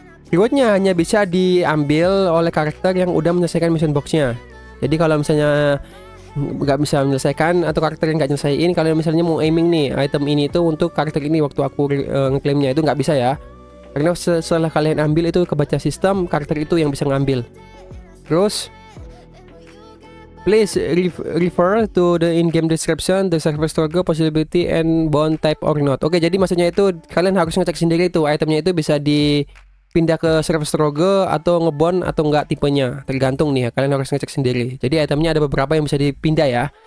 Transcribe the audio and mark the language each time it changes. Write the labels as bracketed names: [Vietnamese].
[Indonesian] Rewardnya hanya bisa diambil oleh karakter yang udah menyelesaikan mission boxnya. Jadi kalau misalnya nggak bisa menyelesaikan atau karakter yang nggak nyelesain, kalau misalnya mau aiming nih item ini itu untuk karakter ini waktu aku ngeklaimnya itu nggak bisa ya. Karena setelah kalian ambil itu kebaca sistem, karakter itu yang bisa ngambil. [English] Terus please refer to the in-game description, the server struggle, possibility, and bond type or not. [Indonesian] Oke, jadi maksudnya itu kalian harus ngecek sendiri itu itemnya itu bisa dipindah ke server struggle atau ngebond atau enggak tipenya. Tergantung nih ya, kalian harus ngecek sendiri. Jadi itemnya ada beberapa yang bisa dipindah ya.